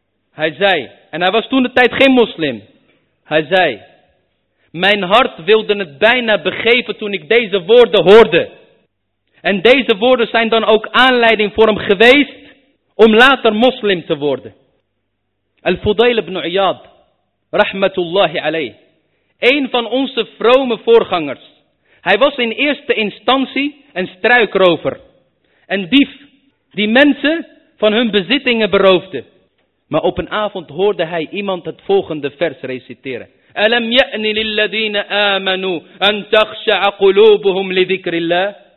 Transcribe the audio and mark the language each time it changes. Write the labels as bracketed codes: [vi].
[nl] Hij zei, en hij was toen de tijd geen moslim. Hij zei, mijn hart wilde het bijna begeven toen ik deze woorden hoorde. En deze woorden zijn dan ook aanleiding voor hem geweest om later moslim te worden. [ar] الفضيل بن عياض رحمة الله عليه. [nl] Een van onze vrome voorgangers. Hij was in eerste instantie een struikrover. Een dief die mensen van hun bezittingen beroofde. Maar op een avond hoorde hij iemand het volgende vers reciteren. [ar] أَلَمْ يَأْنِ لِلَّذِينَ آمَنُوا أَنْ تَخْشَعَ قُلُوبُهُمْ لِذِكْرِ اللَّهِ.